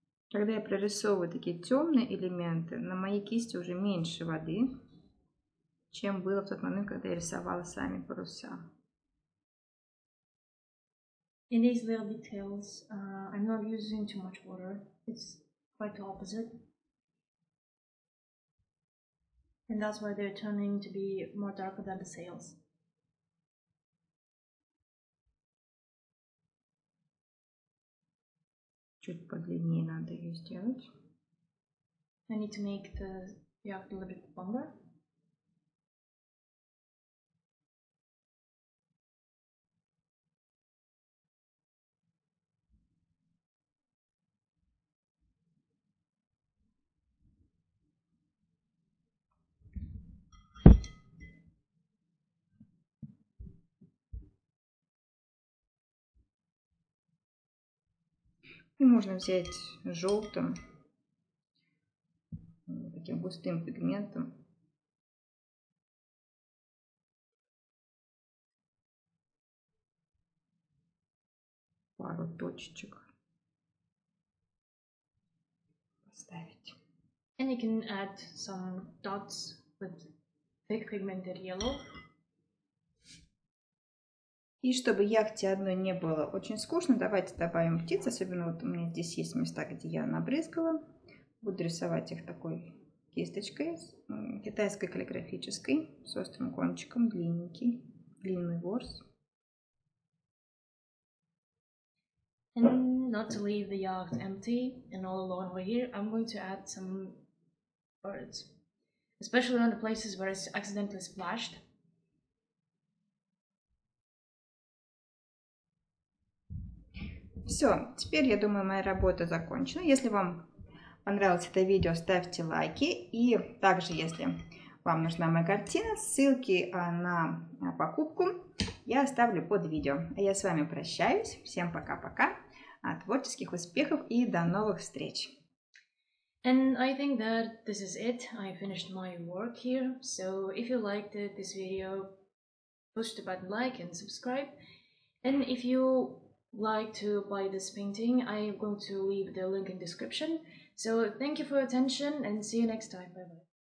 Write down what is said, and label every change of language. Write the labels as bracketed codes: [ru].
[ru] Когда я прорисовываю такие темные элементы, на моей кисти уже меньше воды, чем было в тот момент, когда я рисовала сами паруса. [en] In these little details, I'm not using too much water. It's quite the opposite. And that's why they're turning to be more darker than the sails. [ru] Чуть подлиннее надо ее сделать. [en] I need to make the yacht a little bit longer. [ru] И можно взять желтым, таким густым пигментом. Пару точечек поставить. [en] And you can add some dots with thick pigmented yellow. [ru] И чтобы яхте одной не было очень скучно, давайте добавим птиц. Особенно вот у меня здесь есть места, где я набрызгала. Буду рисовать их такой кисточкой, китайской каллиграфической, с острым кончиком, длинненький, длинный ворс. [en] And not to leave the yacht empty and all alone over here, I'm going to add some birds. Especially on the places where it's accidentally splashed. [ru] Все, теперь, я думаю, моя работа закончена. Если вам понравилось это видео, ставьте лайки. И также, если вам нужна моя картина, ссылки на покупку я оставлю под видео. А я с вами прощаюсь. Всем пока-пока. Творческих успехов и до новых встреч. [en] And I think that this is it. I finished my work here. So if you liked this video, push the button like and subscribe. And if you like to buy this painting, I am going to leave the link in description. So thank you for your attention and see you next time. Bye bye.